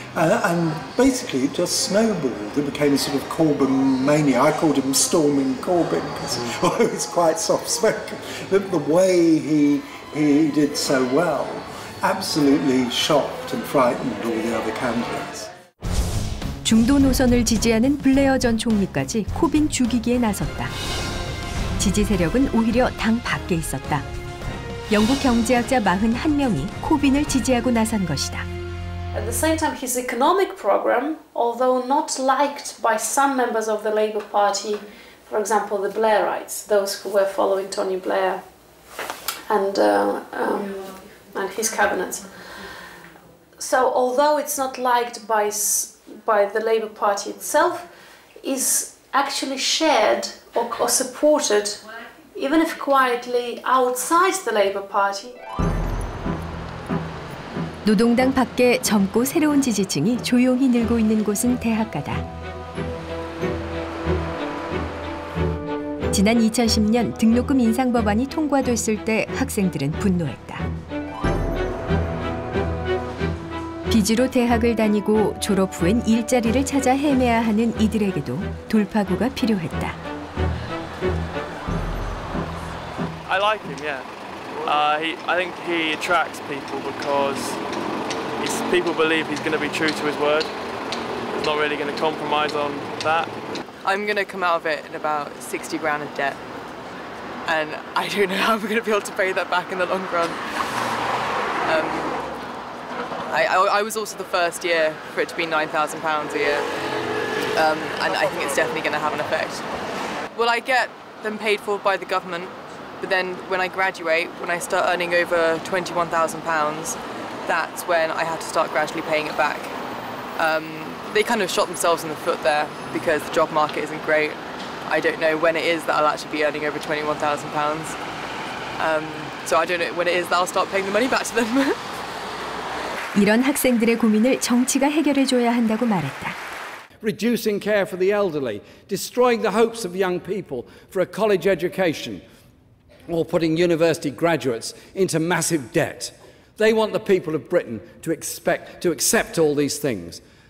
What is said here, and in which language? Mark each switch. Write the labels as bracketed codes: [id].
[en] And basically it just snowballed, it became a sort of Corbyn mania. I called him Storming Corbyn, because he was quite soft-spoken. But the way he did so well absolutely shocked and frightened all the other candidates. [ko] 중도 노선을 지지하는 블레어 전 총리까지 코빈 죽이기에 나섰다. 지지 세력은 오히려 당 밖에 있었다. 영국 경제학자 41명이 코빈을 지지하고 나선 것이다. [en] At the same time, his economic program, although not liked by some members of the Labour Party, for example, the Blairites, those who were following Tony Blair and his cabinet. So although it's not liked by the Labour Party itself, is actually shared or supported, even if quietly, outside the Labour Party. [ko] 노동당 밖에 젊고 새로운 지지층이 조용히 늘고 있는 곳은 대학가다. 지난 2010년 등록금 인상 법안이 통과됐을 때 학생들은 분노했다. 빚으로 대학을 다니고 졸업 후엔 일자리를 찾아 헤매야 하는 이들에게도 돌파구가 필요했다. [en] I like him, yeah. I think he attracts people because people believe he's going to be true to his word. He's not really going to compromise on that. I'm going to come out of it in about 60 grand of debt. And I don't know how we're going to be able to pay that back in the long run. I was also the first year for it to be £9,000 a year. And I think it's definitely going to have an effect. Will I get them paid for by the government? But then when I graduate, when I start earning over £21,000, that's when I had to start gradually paying it back. They kind of shot themselves in the foot there because the job market isn't great. I don't know when it is that I'll actually be earning over £21,000. So I don't know when it is that I'll start paying the money back to them. [ko] 이런 학생들의 고민을 정치가 해결해 줘야 한다고 말했다. [en] Reducing care for the elderly, destroying the hopes of young people for a college education, or putting university graduates into massive debt. They want the people of Britain to accept all these things.